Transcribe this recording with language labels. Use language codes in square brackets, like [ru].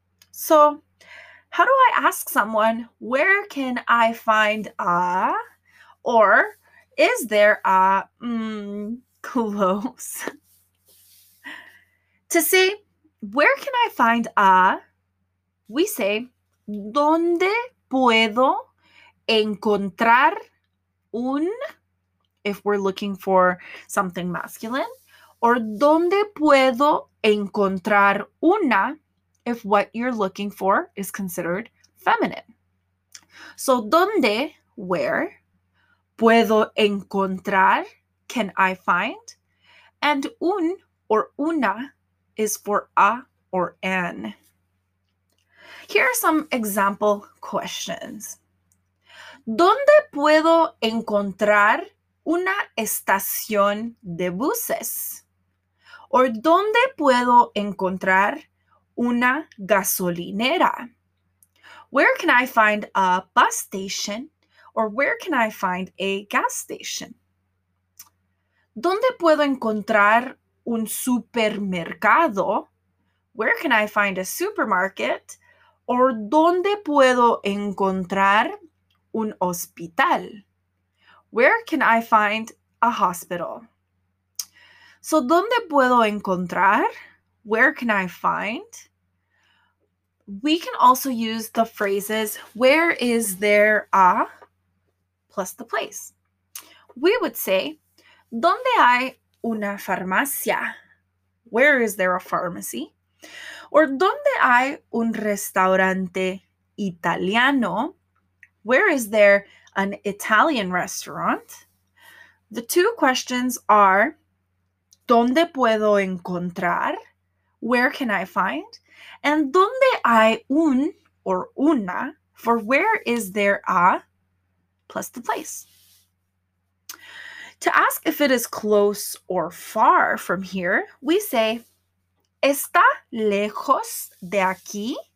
[en] So, how do I ask someone, where can I find a, or is there a, close? To say, where can I find a, we say, [es] ¿dónde puedo encontrar un? [en] If we're looking for something masculine. [es] Or ¿dónde puedo encontrar una? [en] If what you're looking for is considered feminine. So ¿dónde, where, [es] puedo encontrar, [en] can I find? And un or una is for a or an. Here are some example questions. [es] ¿Dónde puedo encontrar una estación de buses? Or ¿dónde puedo encontrar una gasolinera? [en] Where can I find a bus station? Or where can I find a gas station? [es] ¿Dónde puedo encontrar un supermercado? [en] Where can I find a supermarket? [es] Or ¿dónde puedo encontrar un hospital? [en] Where can I find a hospital? So, [es] ¿dónde puedo encontrar? [en] Where can I find? We can also use the phrases, where is there a, plus the place. We would say, [es] ¿dónde hay una farmacia? [en] Where is there a pharmacy? [es] Or, ¿dónde hay un restaurante italiano? [en] Where is there an Italian restaurant? The two questions are, [es] ¿dónde puedo encontrar? [en] Where can I find? And [es] ¿dónde hay un [en] or una? For where is there a plus the place. To ask if it is close or far from here, we say, [es] ¿está lejos de aquí?